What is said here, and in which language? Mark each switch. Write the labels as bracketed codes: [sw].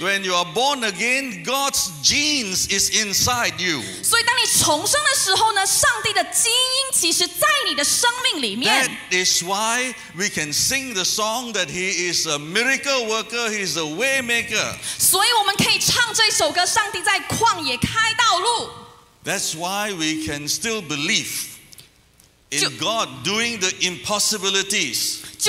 [en] When you are born again, God's genes is inside you. [zh] 所以当你重生的时候呢，上帝的基因其实在你的生命里面。 [en] That is why we can sing the song that He is a miracle worker. He's a way maker. [zh] 所以我们可以唱这首歌，上帝在旷野开道路。 [en] That's why we can still believe in God doing the impossibilities.